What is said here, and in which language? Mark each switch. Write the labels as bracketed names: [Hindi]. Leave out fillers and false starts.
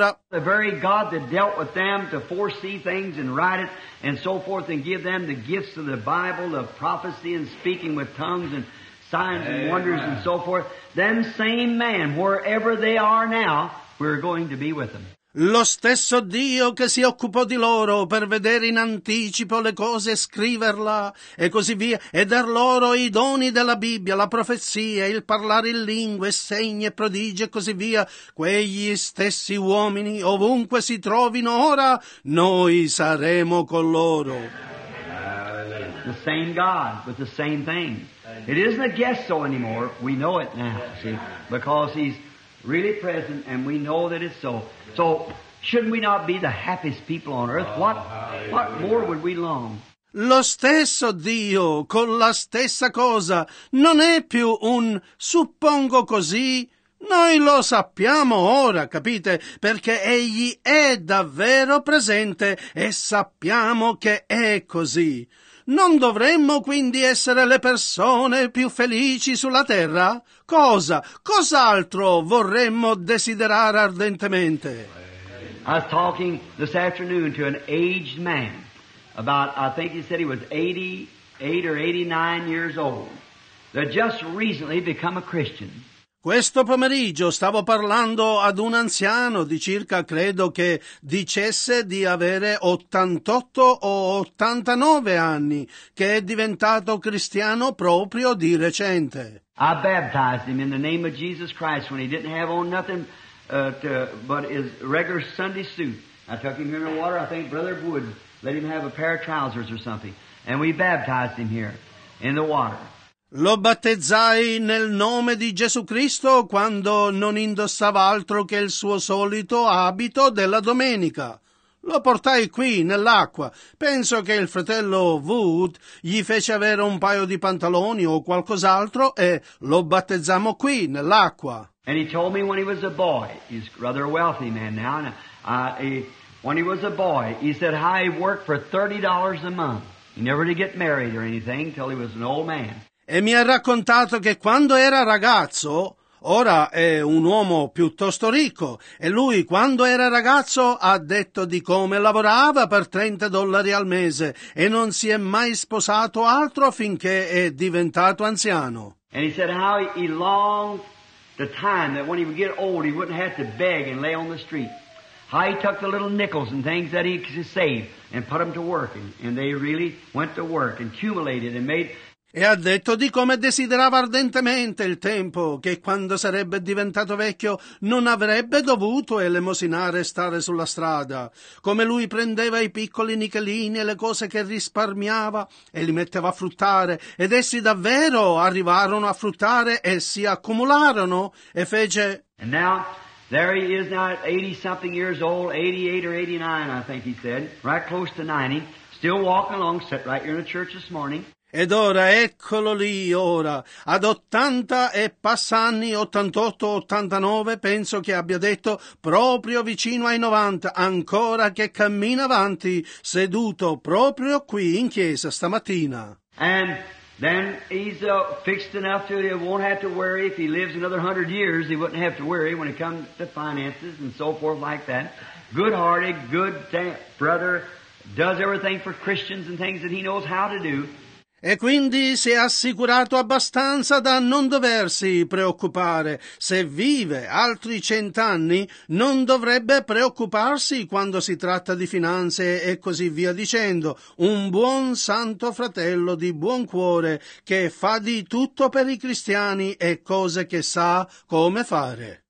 [English] the very God that dealt with them to foresee things and write it and so forth and give them the gifts of the Bible, of prophecy and speaking with tongues and signs and wonders and so forth, them same man, wherever they are now, we're going to be with them. [Italian] Lo stesso Dio che si occupò di loro per vedere in anticipo le cose e scriverla e così via e dar loro i doni della Bibbia, la profezia, il parlare in lingue, segni e prodigi e così via, quegli stessi uomini ovunque si trovino ora, noi saremo con loro. [English] The same God with the same thing. It isn't a guess so anymore. We know it now, see, because he's really present, and we know that it's so. So, shouldn't we not be the happiest people on earth? What more would we long? [Italian] Lo stesso Dio, con la stessa cosa, non è più un suppongo così. Noi lo sappiamo ora, capite? Perché egli è davvero presente e sappiamo che è così. Non dovremmo quindi essere le persone più felici sulla terra? Cosa? Cos'altro vorremmo desiderare ardentemente? [English] I was talking this afternoon to an aged man about, I think he said he was 88 or 89 years old, that just recently become a Christian. [Italian] Questo pomeriggio stavo parlando ad un anziano di circa, credo che dicesse di avere 88 o 89 anni, che è diventato cristiano proprio di recente. [English] I baptized him in the name of Jesus Christ when he didn't have on nothing but his regular Sunday suit. I took him here in the water, I think Brother Wood let him have a pair of trousers or something, and we baptized him here in the water. [Italian] Lo battezzai nel nome di Gesù Cristo quando non indossava altro che il suo solito abito della domenica. Lo portai qui, nell'acqua. Penso che il fratello Wood gli fece avere un paio di pantaloni o qualcos'altro e lo battezzammo qui, nell'acqua. [English] And he told me when he was a boy, he's rather a wealthy man now, when he was a boy, he said how he worked for $30 a month. He never did get married or anything till he was an old man. [Italian] E mi ha raccontato che quando era ragazzo, ora è un uomo piuttosto ricco, e lui quando era ragazzo ha detto di come lavorava per $30 al mese e non si è mai sposato altro finché è diventato anziano. [English] And he said how he longed the time that when he would get old he wouldn't have to beg and lay on the street. How he took the little nickels and things that he could save and put them to work, and they really went to work and accumulated and made. [Italian] E ha detto di come desiderava ardentemente il tempo che quando sarebbe diventato vecchio non avrebbe dovuto elemosinare e stare sulla strada, come lui prendeva i piccoli nichelini e le cose che risparmiava e li metteva a fruttare, ed essi davvero arrivarono a fruttare e si accumularono e fece. [English] And now there he is now at 80 something years old, 88 or 89 I think he said, right close to 90, still walking along, sat right here in the church this morning. [Italian] Ed ora, eccolo lì, ora, ad 80 e passa anni, 88, 89, penso che abbia detto, proprio vicino ai 90, ancora che cammina avanti, seduto proprio qui in chiesa stamattina. [English] And then he's fixed enough to, he won't have to worry if he lives another 100 years, he wouldn't have to worry when it comes to finances and so forth like that. Good-hearted, good brother, does everything for Christians and things that he knows how to do. [Italian] E quindi si è assicurato abbastanza da non doversi preoccupare. Se vive altri 100 anni, non dovrebbe preoccuparsi quando si tratta di finanze e così via dicendo. Un buon santo fratello di buon cuore che fa di tutto per i cristiani e cose che sa come fare.